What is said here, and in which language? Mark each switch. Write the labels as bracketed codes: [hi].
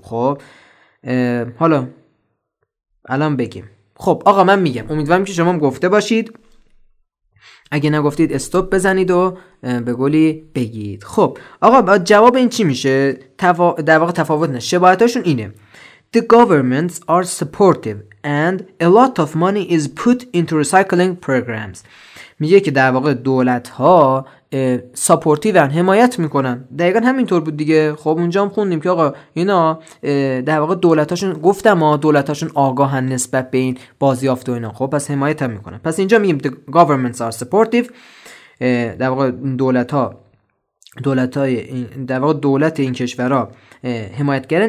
[fa] خب حالا الان بگیم. خب آقا من میگم، امیدوارم که شما هم گفته باشید، اگه نگفتید استوب بزنید و به گلی بگید. خب آقا جواب این چی میشه؟ در واقع تفاوت نه، شباهتاشون اینه، [en] The governments are supportive and a lot of money is put into recycling programs. [fa] میگه که در واقع دولت ها سپورتیو هن، حمایت میکنن. دقیقا همینطور بود دیگه. خب اونجا هم خوندیم که آقا اینا در واقع دولت هاشون، گفتم ها، دولت هاشون آگاه هن نسبت به این بازیافت و اینا. خب پس حمایت هم میکنن. پس اینجا میگیم [en] the governments are supportive، [fa] در واقع دولت ها، دولت های در واقع دولت این کشور ها حمایت کردن.